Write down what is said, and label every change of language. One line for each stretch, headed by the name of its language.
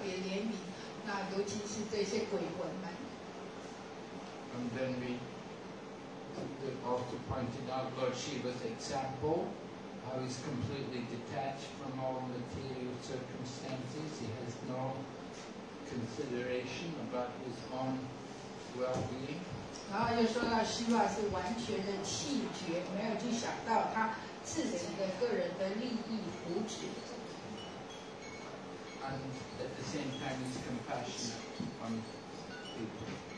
Chinese: 然后我们想到挺Shiva的这个角色，他是这么的怜悯，然后对这个在愚昧属性的生物是特别怜悯，那尤其是这些鬼魂们。
English: And then we also pointed out Lord Shiva's example, how he's completely detached from all material circumstances. He has no consideration about his own well-being.
Chinese: 然后又说到希瓦是完全的弃绝，没有去想到他自己的个人的利益福祉。
English: And at the same time, he's compassionate on people.